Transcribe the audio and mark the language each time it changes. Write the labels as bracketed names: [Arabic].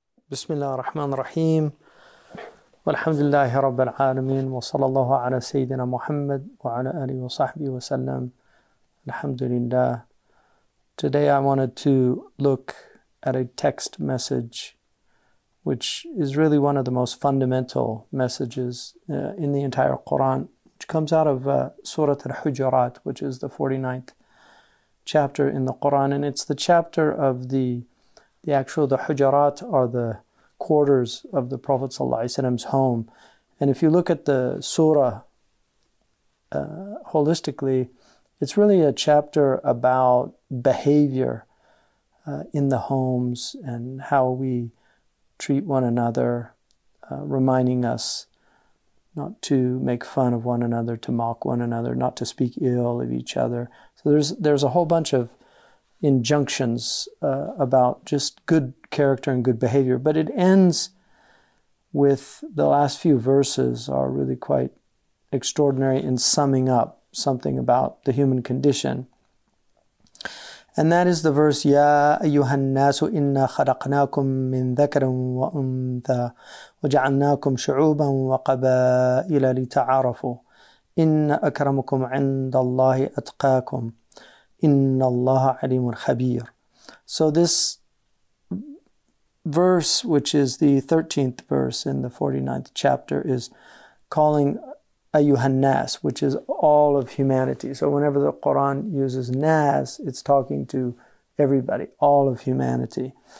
[Arabic] بسم الله الرحمن الرحيم والحمد لله رب العالمين وصلى الله على سيدنا محمد وعلى آله وصحبه وسلم الحمد لله. [English] Today I wanted to look at a text message which is really one of the most fundamental messages in the entire Quran, which comes out of Surah Al-Hujurat, which is the 49th chapter in the Quran, and it's the chapter of the Hujarat are the quarters of the Prophet ﷺ's home. And if you look at the surah holistically, it's really a chapter about behavior in the homes and how we treat one another, reminding us not to make fun of one another, to mock one another, not to speak ill of each other. So there's a whole bunch of injunctions about just good character and good behavior. But it ends with the last few verses are really quite extraordinary in summing up something about the human condition. And that is the verse, [Arabic] يَا أَيُّهَا النَّاسُ إِنَّا خَلَقْنَاكُمْ مِنْ ذَكَرٍ وَأُنْثَى وَجَعَلْنَاكُمْ شُعُوبًا وَقَبَائِلَ لِتَعَارَفُوا إِنَّ أَكْرَمُكُمْ عِنْدَ اللَّهِ أَتْقَاكُمْ إِنَّ اللَّهَ عَلِيمٌ خَبِيرٌ. [English] So this verse, which is the 13th verse in the 49th chapter, is calling [Arabic] أَيُّهَا النَّاسُ, [English] which is all of humanity. So whenever the Quran uses nas, it's talking to everybody, all of humanity.